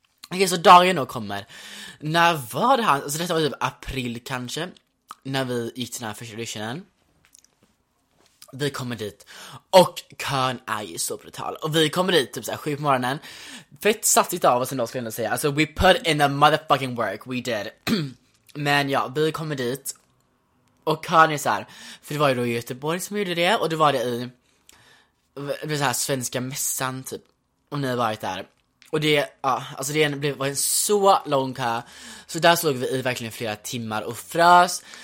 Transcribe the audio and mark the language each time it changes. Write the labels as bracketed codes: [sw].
[sv] Okej, så dagen då kommer. När var det här? Alltså detta var typ april kanske, när vi gick till den här första auditionen. Vi kommer dit och kön är ju så brutal. Och vi kommer dit typ såhär 7 på morgonen. Fett sattigt av oss ändå skulle jag säga. [en] Alltså we put in the motherfucking work, we did. [sv] Men ja, vi kommer dit och kön är såhär, för det var ju då Göteborg som gjorde det. Och det var det i det så här svenska mässan typ. Och ni har varit där. Och det, ja, alltså det var en så lång kö. Så där såg vi i verkligen flera timmar och frös.